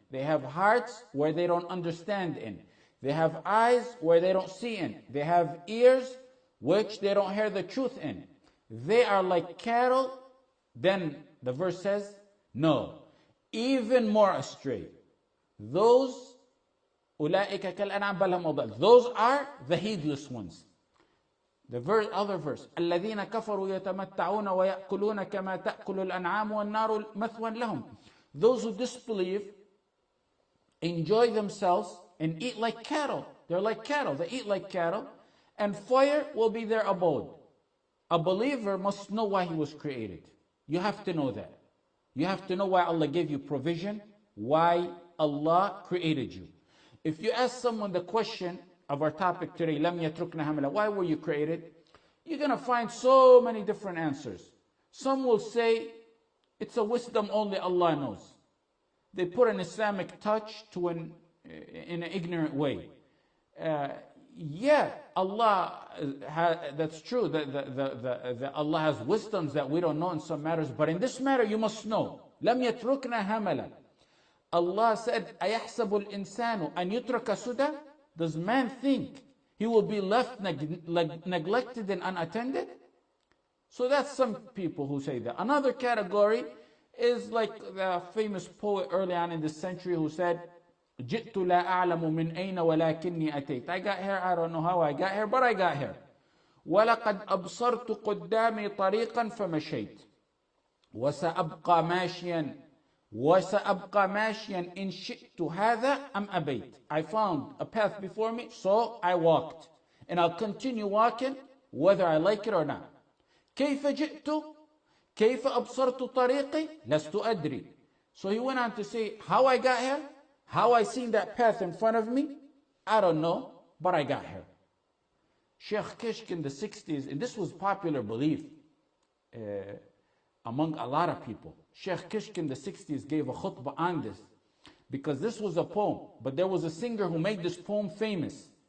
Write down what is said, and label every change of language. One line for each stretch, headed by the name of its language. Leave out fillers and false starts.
English: They have hearts where they don't understand in. They have eyes where they don't see in. They have ears which they don't hear the truth in. They are like cattle, then the verse says, no, even more astray. Those,
Arabic: أُولَٰئِكَ كَالْأَنْعَامِ بَلْ هُمْ أَضَلُّ.
English: Those are the heedless ones. The other verse,
Arabic: الَّذِينَ كَفَرُوا يَتَمَتَّعُونَ وَيَأْكُلُونَ كَمَا تَأْكُلُ الْأَنْعَامُ وَالنَّارُ مَثْوًا لَهُمْ.
English: Those who disbelieve, enjoy themselves, and eat like cattle. They're like cattle, they eat like cattle, and fire will be their abode. A believer must know why he was created. You have to know that. You have to know why Allah gave you provision, why Allah created you. If you ask someone the question of our topic today,
Arabic: لَمْ يَتْرُكْنَا هَمْلًا,
English: why were you created? You're going to find so many different answers. Some will say, it's a wisdom only Allah knows. They put an Islamic touch to in an ignorant way. Allah, that's true, Allah has wisdoms that we don't know in some matters. But in this matter, you must know.
Arabic: لَمْ يَتْرُكْنَا هَمَلًا.
English: Allah said,
Arabic: أَيَحْسَبُ الْإِنسَانُ أَنْ يُتْرَكَ سُدًا?
English: Does man think he will be left neglected and unattended? So that's some people who say that. Another category is like the famous poet early on in the century who said,
Arabic: جِئْتُ لَا أَعْلَمُ مِنْ أَيْنَ وَلَكِنِّي أَتَيْتُ.
English: I got here, I don't know how I got here, but I got here.
Arabic: وَلَقَدْ أَبْصَرْتُ قُدَّامِي طَرِيقًا فَمَشَيْتُ وَسَأَبْقَى مَاشِيًا وَسَأَبْقَى مَاشِيًا إِنْ شِئْتُ هَذَا أَمْ أَبَيْتُ.
English: I found a path before me, so I walked. And I'll continue walking whether I like it or not.
Arabic: كَيْفَ جِئْتُ كَيْفَ أَبْصَرْتُ طَرِيقِي لَسْتُ أَدْرِي.
English: So he went on to say, how I got here? How I seen that path in front of me? I don't know, but I got here. Sheikh Kishk in the 60s, and this was popular belief among a lot of people. Sheikh Kishk in the 60s gave a khutbah on this because this was a poem, but there was a singer who made this poem famous.